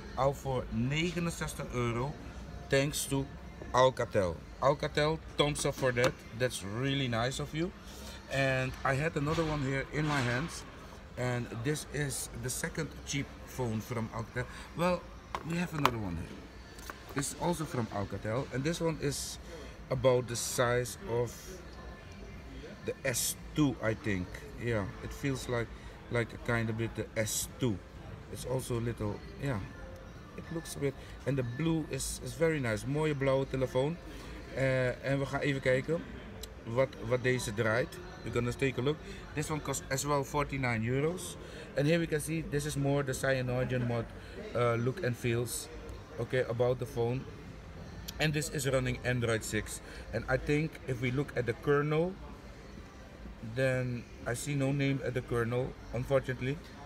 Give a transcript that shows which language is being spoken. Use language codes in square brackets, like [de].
[nl] al voor [en] €69 thanks to Alcatel. Alcatel, thumbs up for that. That's really nice of you. And I had another one here in my hands. And this is the second cheap phone from Alcatel. Well, we have another one here. It's also from Alcatel. And this one is about the size of the S2, I think. Yeah, it feels like a kind of bit the S2. It's also a little, yeah. It looks a bit, and the blue is very nice. [nl] Mooie blauwe telefoon. En we gaan even kijken wat deze draait. [en] We're gonna take a look. This one costs as well €49. And here we can see, this is more the CyanogenMod mod look and feels. Okay, about the phone. And this is running Android 6. And I think if we look at the kernel, then I see no name at the kernel, unfortunately.